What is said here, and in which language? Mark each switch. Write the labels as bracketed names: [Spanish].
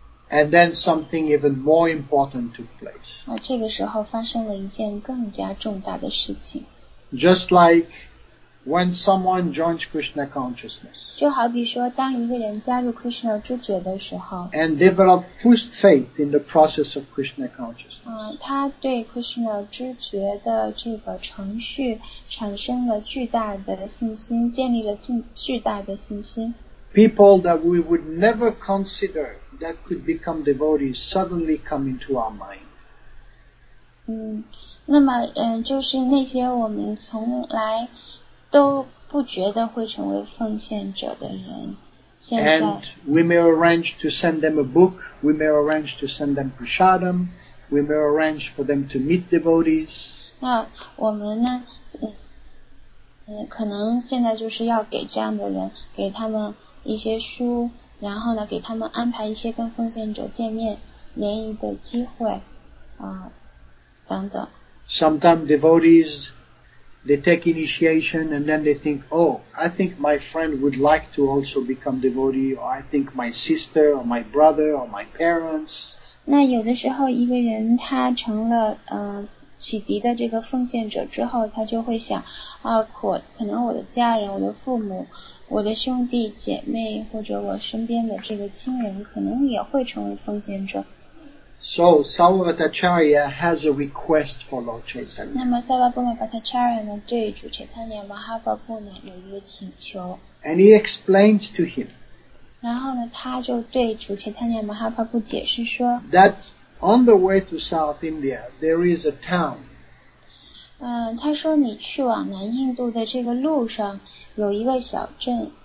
[English] And then something even more important took place. [Chinese] 那这个时候发生了一件更加重大的事情。 [English] Just like when someone joins Krishna consciousness. [Chinese] 就好比说，当一个人加入 Krishna 知觉的时候。 [English] And develop full faith in the process of Krishna consciousness. [Chinese] 他对 Krishna 知觉的这个程序产生了巨大的信心，建立了巨大的信心。 [English] People that we would never consider that could become devotees suddenly come into our mind. [Chinese] 那么就是那些我们从来都不觉得会成为奉献者的人。 [English] And we may arrange to send them a book, we may arrange to send them prasadam, we may arrange for them to meet devotees. [Chinese] 那我们呢可能现在就是要给这样的人，给他们一些书，然后呢给他们安排一些跟奉献者见面联谊的机会等等。 [English] Sometimes devotees, they take initiation and then they think, oh, I think my friend would like to also become devotee, or I think my sister or my brother or my parents. [Chinese] 那有的时候一个人他成了启迪的这个奉献者之后，他就会想啊，可能我的家人，我的父母，我的兄弟姐妹，或者我身边的这个亲人，可能也会成为奉献者。 [English] So, Samavatacharya has a request for Lord Chaitanya. [Chinese] 那么 Samavatacharya 呢对主 Chaitanya Mahaprabhu 呢有一个请求。 [English] And he explains to him. [Chinese] 然后呢他就对主 Chaitanya Mahaprabhu 解释说。 [English] That on the way to South India, there is a town. [Chinese] 他说你去往南印度的这个路上有一个小镇。